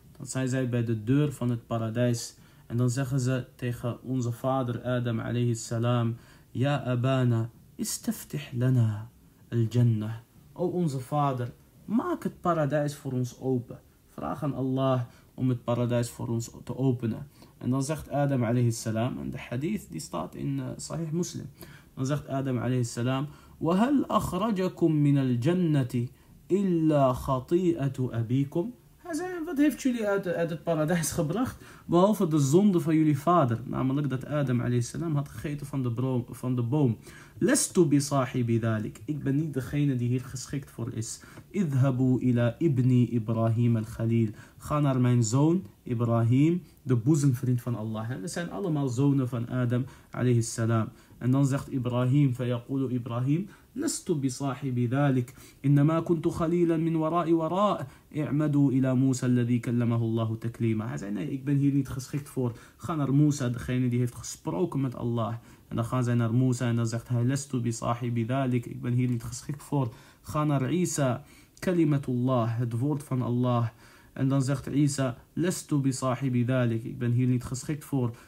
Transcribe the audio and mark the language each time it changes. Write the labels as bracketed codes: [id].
[nl] Dan zijn zij bij de deur van het paradijs. En dan zeggen ze tegen onze vader Adam alayhi salam, [ar] ja abana, istaftih lana al-jannah. [nl] O onze vader, maak het paradijs voor ons open. Vraag aan Allah om het paradijs voor ons te openen. En dan zegt Adam alayhi salam, en de hadith die staat in Sahih Muslim. Dan zegt [ar] Adam alayhi salam, وَهَلْ أَخْرَجَكُمْ مِنَ الْجَنَّةِ إِلَّا خَطِيئَةُ أَبِيكُمْ. [nl] Hij zei, wat heeft jullie uit het paradijs gebracht? Behalve de zonde van jullie vader. Namelijk dat Adam alayhi salam had gegeten van de boom. [ar] لَسْتُ بِصَاحِبِ ذَلِكَ. [nl] Ik ben niet degene die hier geschikt voor is. [ar] اِذْهَبُوا إِلَىٰ إِبْنِي إِبْرَاهِيمَ الْخَلِيلِ. [nl] Ga naar mijn zoon, Ibrahim, de boezemvriend van Allah. We zijn allemaal zonen van Adam alayhi salam. En dan zegt [ar] Ibrahim, فَيَقُولُ إِبْرَاهِيمُ لَسْتُ بِصَاحِبِ ذَلِكَ إِنَّمَا كُنْتُ خَلِيلًا مِنْ وَرَاءِ وَرَاءِ اِعْمَدُوا إِلَىٰ مُوسَى الَّذِي كَلَّمَهُ اللَّهُ تَكْلِيمًا. [nl] Hij zei, nee, ik ben hier niet geschikt voor. Ga naar Musa, degene die heeft gesproken met Allah. En dan gaan zij naar Musa en dan zegt hij, [ar] لَسْتُ بِصَاحِبِ ذَلِكَ. [nl] Ik ben hier niet geschikt voor. Ga naar Isa, [ar] كَلِمَةُ اللَّهِ, [nl] het woord van Allah. En dan zegt Isa, [ar] لَسْتُ بِصَاحِبِ ذَلِكَ. [nl] Ik ben hier niet geschikt voor.